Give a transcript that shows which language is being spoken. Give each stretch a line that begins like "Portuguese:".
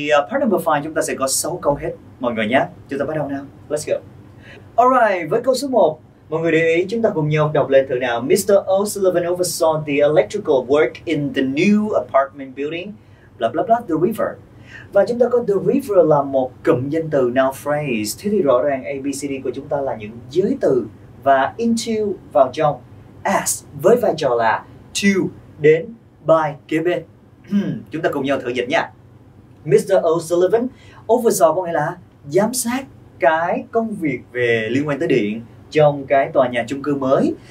English: Part number 5
Vietnamese: chúng ta sẽ có 6 câu hết mọi người nhé. Chúng ta bắt đầu nào.
English: Let's go.
Vietnamese: Alright, với câu số 1, mọi người để ý chúng ta cùng nhau đọc lên thử nào.
English: Mr. O'Sullivan oversaw the electrical work in the new apartment building. Blah blah blah, the river.
Vietnamese: Và chúng ta có the river là một cụm danh từ, noun phrase. Thế thì rõ ràng ABCD của chúng ta là những giới từ. Và into vào trong, as với vai trò là to, đến, by, kế bên. Chúng ta cùng nhau thử dịch nha.
English: Mr. O'Sullivan oversaw
Vietnamese: có nghĩa là giám sát cái công việc về liên quan tới điện trong cái tòa nhà chung cư mới.